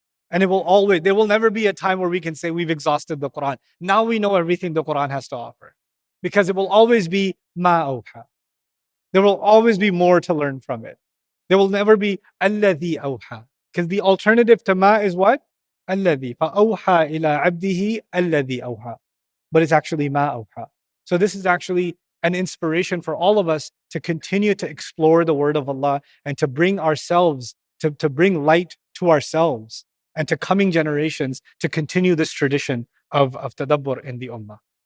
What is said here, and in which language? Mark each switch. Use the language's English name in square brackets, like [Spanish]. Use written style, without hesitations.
[English] And it will always, there will never be a time where we can say we've exhausted the Quran. Now we know everything the Quran has to offer. Because it will always be ma أَوْحَى. There will always be more to learn from it. There will never be alladhi awha. Because the alternative to ma is what? [Arabic] الذي فأوحى إلى عبده الذي أوحى. [English] But it's actually [Arabic] ما أوحى. [English] So this is actually an inspiration for all of us to continue to explore the word of Allah and to bring ourselves, to bring light to ourselves and to coming generations to continue this tradition of tadabbur in the ummah.